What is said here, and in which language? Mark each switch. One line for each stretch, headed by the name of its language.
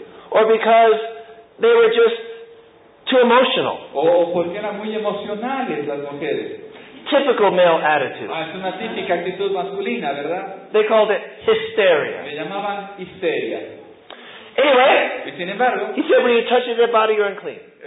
English: Or because they were just too emotional.
Spanish: O porque eran muy emocionales las mujeres.
English: Typical male attitude.
Spanish: Ah, es una típica actitud masculina, ¿verdad?
English: They called it hysteria.
Spanish: Le llamaban histeria.
English: Anyway,
Spanish: y sin embargo,
English: he said, when you touch your dead body, you're unclean.